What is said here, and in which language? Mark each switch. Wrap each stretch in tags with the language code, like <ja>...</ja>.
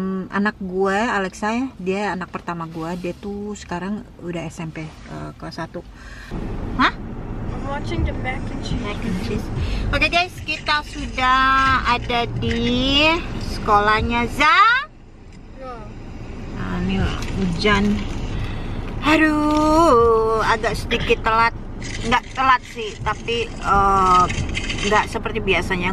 <id>Anak gue Alexa ya, dia anak pertama gue. Dia tuh sekarang udah SMP kelas 1. Hah?</id> <en>I'm watching the mac and cheese.</en> <id>Oke guys, kita sudah ada di sekolahnya Za. Nah, ini hujan. Aduh, agak sedikit telat. nggak telat sih, tapi nggak seperti biasanya.</id>